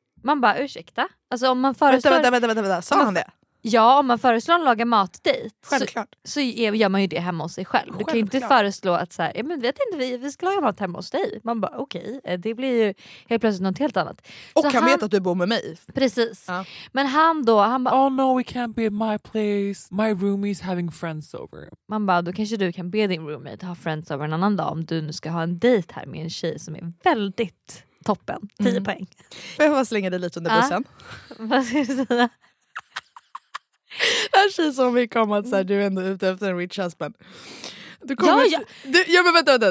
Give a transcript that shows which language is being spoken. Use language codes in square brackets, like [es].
[sv] Man bara, ursäkta. Alltså om man föreslår... Vänta, sa han det? Ja, om man föreslår att laga mat dit. Självklart. Så gör man ju det hemma hos sig själv. Du kan ju inte föreslå att så här, ja men vet inte, vi ska laga mat hemma hos dig. Man bara, okej, det blir ju helt plötsligt något helt annat. Och han vet att du bor med mig. Precis. Ja. Men han då, han bara... [en] Oh no, we can't be at my place. My roomie's having friends over. [sv] Man bara, då kanske du kan be din roommate att ha [en] friends over [sv] en annan dag. Om du nu ska ha en dejt här med en tjej som är väldigt toppen. 10 poäng. Får jag bara slänga dig lite under bussen? Vad ska du säga? Det känns som vi kommer att säga du är ändå ute efter en rich husband. Du kommer vänta.